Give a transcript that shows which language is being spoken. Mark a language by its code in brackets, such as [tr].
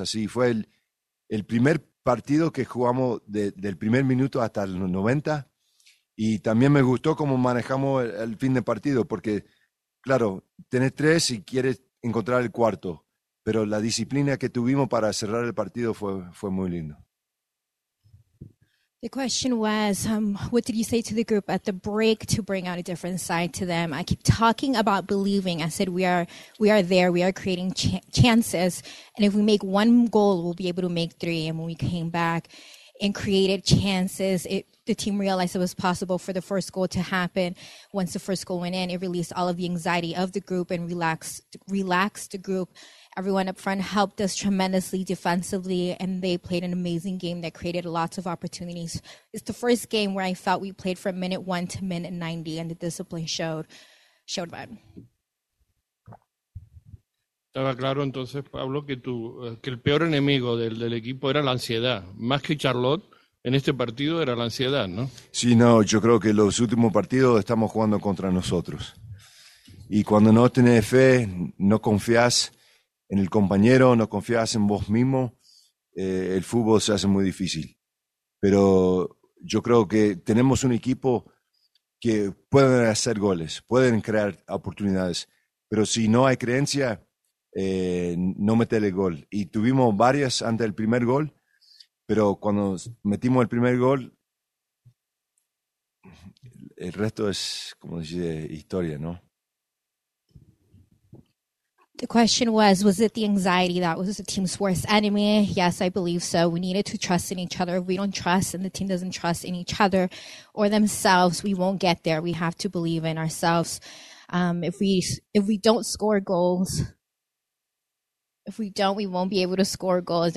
[es] Así fue el primer partido que jugamos del primer minuto hasta el 90 y también me gustó cómo manejamos el fin de partido porque, claro, tenés tres y quieres encontrar el cuarto. Pero la disciplina que tuvimos para cerrar el partido fue muy lindo. [en] The question was, what did you say to the group at the break to bring out a different side to them? I keep talking about believing. I said we are there, we are creating chances, and if we make one goal, we'll be able to make three. And when we came back and created chances, the team realized it was possible for the first goal to happen. Once the first goal went in, it released all of the anxiety of the group and relaxed the group. Everyone up front helped us tremendously defensively, and they played an amazing game that created lots of opportunities. It's the first game where I felt we played from minute one to minute 90, and the discipline showed that. [es] Estaba claro entonces, Pablo, que el peor enemigo del equipo era la ansiedad. Más que Charlotte, en este partido era la ansiedad, ¿no? Sí, no, yo creo que los últimos partidos estamos jugando contra nosotros. Y cuando no tenés fe, no confías en el compañero, no confías en vos mismo, el fútbol se hace muy difícil. Pero yo creo que tenemos un equipo que pueden hacer goles, pueden crear oportunidades, pero si no hay creencia, no meter el gol. Y tuvimos varias antes del primer gol, pero cuando metimos el primer gol, el resto es, como dice, historia, ¿no? [en] The question was it the anxiety that was the team's worst enemy? Yes, I believe so. We needed to trust in each other. If we don't trust and the team doesn't trust in each other or themselves, we won't get there. We have to believe in ourselves. If we don't score goals, if we don't, we won't be able to score goals.